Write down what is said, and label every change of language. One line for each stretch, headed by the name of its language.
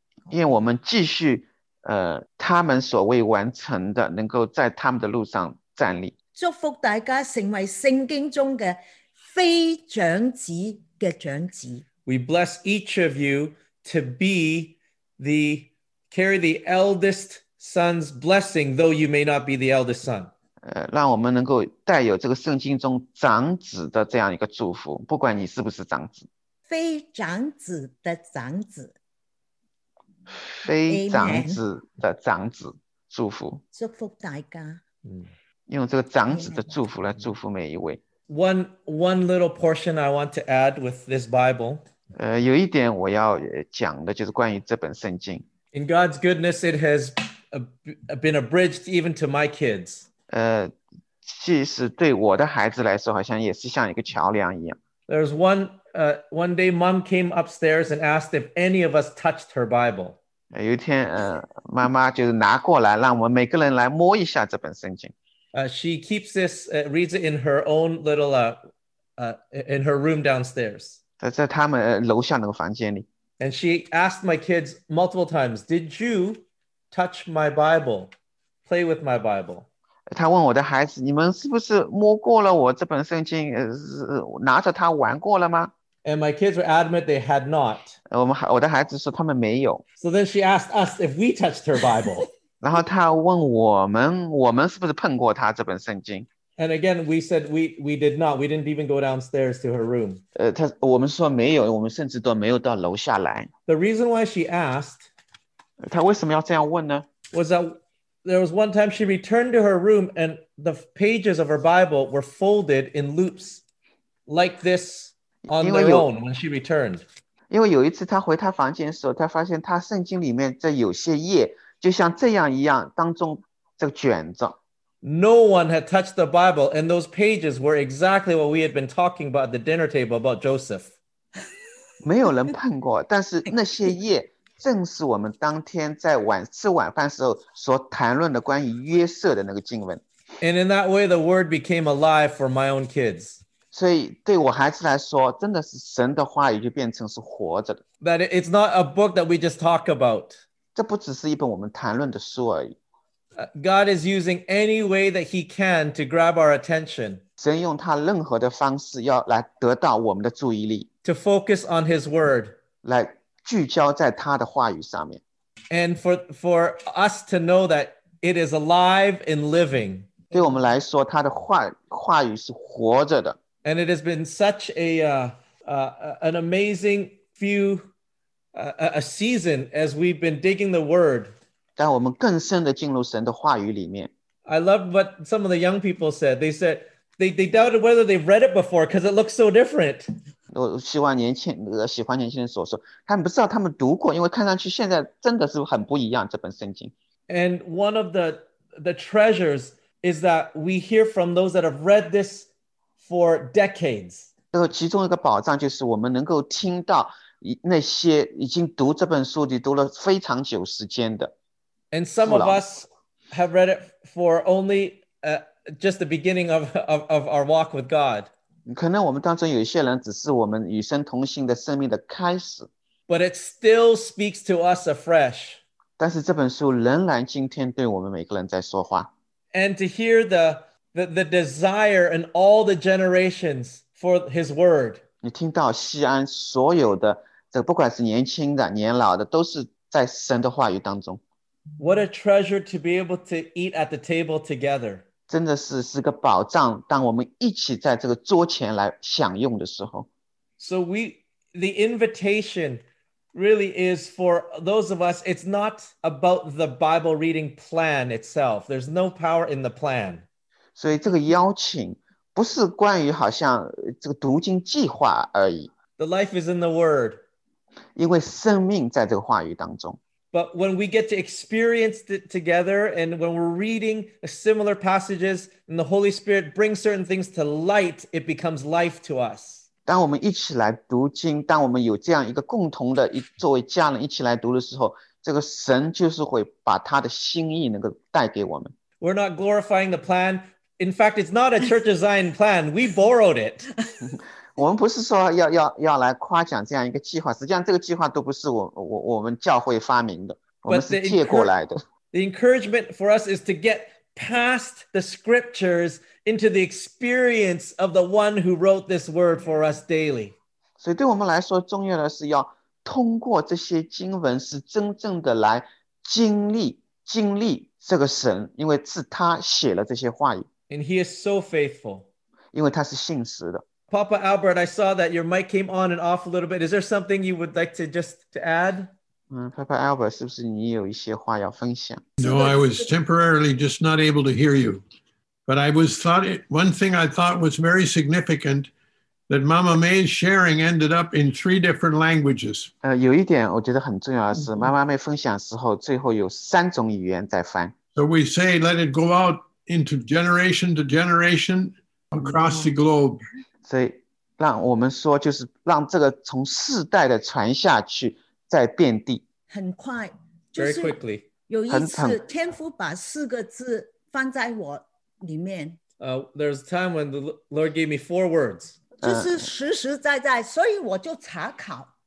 Chinese: 愿我们继续，他们所未完成的，能够在他们的路上站立。祝福大家成为圣经中的非长子的长子。
English: We bless each of you to be the carry the eldest son's blessing, though you may not be the eldest son.
Chinese: 让我们能够带有这个圣经中长子的这样一个祝福，不管你是不是长子。非长子的长子。非长子的长子祝福，祝福大家，用这个长子的祝福来祝福每一位。
English: One little portion I want to add with this Bible.
Chinese: 有一点我要讲的就是关于这本圣经。
English: In God's goodness, it has been abridged even to my kids.
Chinese: 即使对我的孩子来说，好像也是像一个桥梁一样。
English: There's one. One day, mom came upstairs and asked if any of us touched her Bible.
Chinese: 有一天，妈妈就拿过来，让我们每个人来摸一下这本圣经。
English: She keeps this, reads it in her own little, in her room downstairs.
Chinese: 在他们楼下那个房间里。
English: And she asked my kids multiple times, "Did you touch my Bible? Play with my Bible?"
Chinese: 他问我的孩子，你们是不是摸过了我这本圣经？拿着它玩过了吗？
English: And my kids were adamant they had not.
Chinese: 我的孩子说他们没有。
English: So then she asked us if we touched her Bible.
Chinese: 然后他问我们是不是碰过他这本圣经。
English: And again, we said we did not. We didn't even go downstairs to her room.
Chinese: 我们说没有，我们甚至都没有到楼下来。
English: The reason why she asked.
Chinese: 他为什么要这样问呢？
English: Was that there was one time she returned to her room and the pages of her Bible were folded in loops like this. On their own when she returned.
Chinese: 因为有一次她回她房间的时候，她发现她圣经里面这有些页就像这样一样，当中这个卷着。
English: No one had touched the Bible, and those pages were exactly what we had been talking about at the dinner table about Joseph.
Chinese: 没有人碰过，但是那些页正是我们当天在吃晚饭时候所谈论的关于约瑟的那个经文。
English: And in that way, the word became alive for my own kids.
Chinese: 所以对我孩子来说，真的是神的话语就变成是活着的。
English: That it's not a book that we just talk about.
Chinese: 这不只是一本我们谈论的书而已。
English: God is using any way that he can to grab our attention.
Chinese: 神用他任何的方式要来得到我们的注意力。
English: To focus on his word.
Chinese: 来聚焦在他的话语上面。
English: And for us to know that it is alive and living.
Chinese: 对我们来说，他的话语是活着的。
English: And it has been such an amazing few, a season as we've been digging the word.
Chinese: 让我们更深地进入神的话语里面。
English: I love what some of the young people said. They said they doubted whether they've read it before because it looks so different.
Chinese: 我希望喜欢年轻人所说，他们不知道他们读过，因为看上去现在真的是很不一样，这本圣经。
English: And one of the treasures is that we hear from those that have read this for decades.
Chinese: 其中一个保障就是我们能够听到那些已经读这本书的读了非常久时间的。
English: And some of us have read it for only just the beginning of our walk with God.
Chinese: 可能我们当中有些人只是我们与神同行的生命的开始。
English: But it still speaks to us afresh.
Chinese: 但是这本书仍然今天对我们每个人在说话。
English: And to hear the desire in all the generations for his word.
Chinese: 你听到西安所有的，这不管是年轻的、年老的，都是在神的话语当中。
English: What a treasure to be able to eat at the table together.
Chinese: 真的是个宝藏，当我们一起在这个桌前来享用的时候。
English: So the invitation really is for those of us, it's not about the Bible reading plan itself. There's no power in the plan.
Chinese: 所以这个邀请不是关于好像这个读经计划而已。
English: The life is in the word.
Chinese: 因为生命在这个话语当中。
English: But when we get to experience it together, and when we're reading similar passages, and the Holy Spirit brings certain things to light, it becomes life to us.
Chinese: 当我们一起来读经，当我们有这样一个共同的一作为家人一起来读的时候，这个神就是会把他的心意能够带给我们。
English: We're not glorifying the plan. In fact, it's not a church design plan. We borrowed it.
Chinese: 我们不是说要来夸奖这样一个计划，实际上这个计划都不是我们教会发明的，我们是借过来的。
English: The encouragement for us is to get past the scriptures into the experience of the one who wrote this word for us daily.
Chinese: 所以对我们来说，重要的是要通过这些经文，是真正的来经历这个神，因为是他写了这些话语。
English: And he is so faithful.
Chinese: 因为他是信实的。
English: Papa Albert, I saw that your mic came on and off a little bit. Is there something you would like to add?
Chinese: Papa Albert, 是不是你有一些话要分享?
English: No, I was temporarily just not able to hear you. But I was thought, one thing I thought was very significant, that Mama May's sharing ended up in three different languages.
Chinese: 有一点我觉得很重要的是, 妈妈妹分享的时候, 最后有三种语言在翻。
English: So we say, let it go out into generation to generation across the globe.
Chinese: 所以让我们说就是让这个从世代的传下去再遍地很快
English: Very quickly
Chinese: 有一次天父把四个字放在我里面
English: There's a time when the Lord gave me four words
Chinese: 就是实实在在所以我就查考